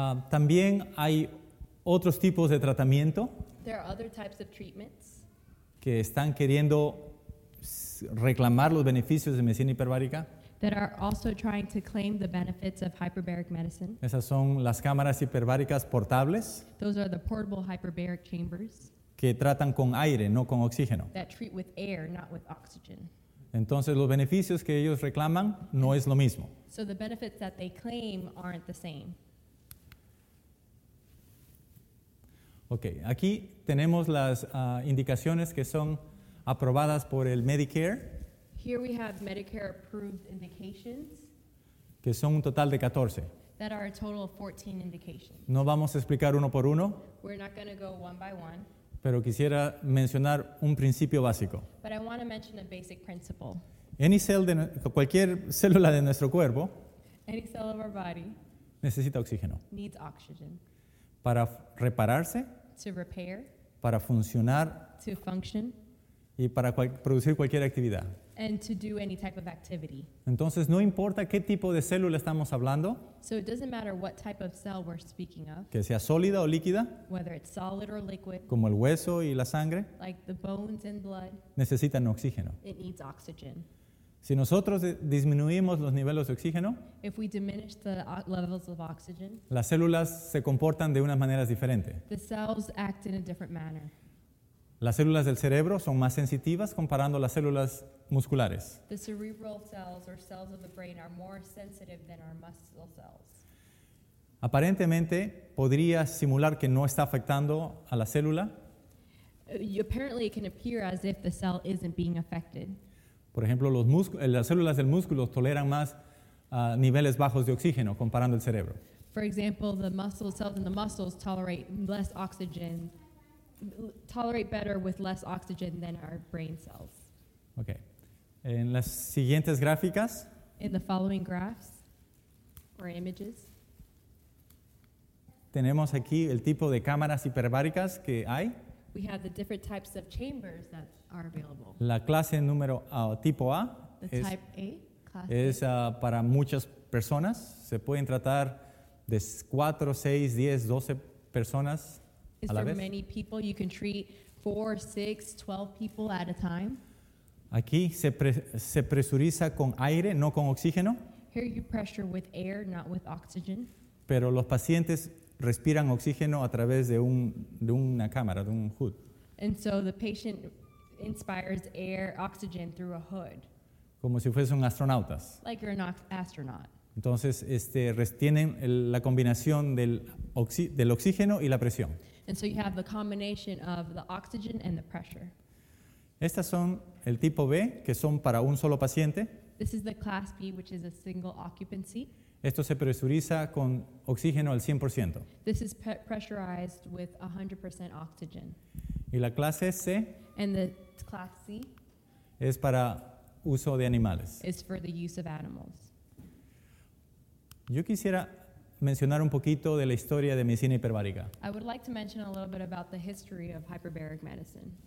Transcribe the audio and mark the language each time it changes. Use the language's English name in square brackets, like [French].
[Spanish] También hay otros tipos de tratamiento. [English] There are other types of treatments. [Spanish] Que están queriendo reclamar los beneficios de medicina hiperbárica. [English] That are also trying to claim the benefits of hyperbaric medicine. [Spanish] Esas son las cámaras hiperbáricas portables. [English] Those are the portable hyperbaric chambers. [Spanish] Que tratan con aire, no con oxígeno. [English] That treat with air, not with oxygen. [Spanish] Entonces, los beneficios que ellos reclaman no es lo mismo. [English] So the benefits that they claim aren't the same. [Spanish] Okay, aquí tenemos las indicaciones que son aprobadas por el Medicare. [English] Here we have Medicare approved indications. [Spanish] Que son un total de 14. [English] That are a total of 14 indications. [Spanish] No vamos a explicar uno por uno. [English] We're not going to go one by one. [Spanish] Pero quisiera mencionar un principio básico. [English] But I want to mention a basic principle. [Spanish] Cualquier célula de nuestro cuerpo. [English] Any cell of our body. [Spanish] Necesita oxígeno. [English] Needs oxygen. [Spanish] Para repararse. [English] To repair, [Spanish] para funcionar, [English] to function, [Spanish] y para producir cualquier actividad. [English] And to do any type of activity. [Spanish] Entonces, no importa qué tipo de célula estamos hablando, [English] so it doesn't matter what type of cell we're speaking of, [Spanish] que sea sólida o líquida, [English] whether it's solid or liquid, [Spanish] como el hueso y la sangre, [English] like the bones and blood, [Spanish] necesitan oxígeno. [English] It needs oxygen. [Spanish] Si nosotros disminuimos los niveles de oxígeno, [English] if we diminish the levels of oxygen, [Spanish] las células se comportan de unas maneras diferentes. [English] The cells act in a different manner. [Spanish] Las células del cerebro son más sensitivas comparando las células musculares. [English] The cerebral cells or cells of the brain are more sensitive than our muscle cells. [Spanish] Aparentemente, podría simular que no está afectando a la célula. [English] Apparently, it can appear as if the cell isn't being affected. [Spanish] Por ejemplo, las células del músculo toleran más niveles bajos de oxígeno comparando el cerebro. [English] For example, the muscle cells in the muscles tolerate less oxygen, tolerate better with less oxygen than our brain cells. Okay. [Spanish] En las siguientes gráficas. [English] In the following graphs or images. [Spanish] Tenemos aquí el tipo de cámaras hiperbáricas que hay. [English] We have the different types of chambers that are available. [Spanish] La clase número tipo A. [English] The type A. [Spanish] Es para muchas personas. Se pueden tratar de 4, 6, 10, 12 personas. [English] Is there many people you can treat 4, 6, 12 people at a time? [Spanish] Aquí se presuriza con aire, no con oxígeno. [English] Here you pressure with air, not with oxygen. [Spanish] Pero los pacientes respiran oxígeno a través de una cámara, de un hood. [English] And so the patient inspires air, oxygen through a hood. [Spanish] Como si fuesen astronautas. [English] Like you're an astronaut. [Spanish] Entonces, tienen la combinación del oxígeno y la presión. [English] And so you have the combination of the oxygen and the pressure. [Spanish] Estas son el tipo B, que son para un solo paciente. [English] This is the class B, which is a single occupancy. [Spanish] Esto se presuriza con oxígeno al 100%. [English] This is pressurized with 100% oxygen. [Spanish] Y la clase C. [English] And the class C. [Spanish] Es para uso de animales. [English] Is for the use of animals. [Spanish] Yo quisiera mencionar un poquito de la historia de medicina hiperbárica. [English] I would like to mention a little bit about the history of hyperbaric medicine.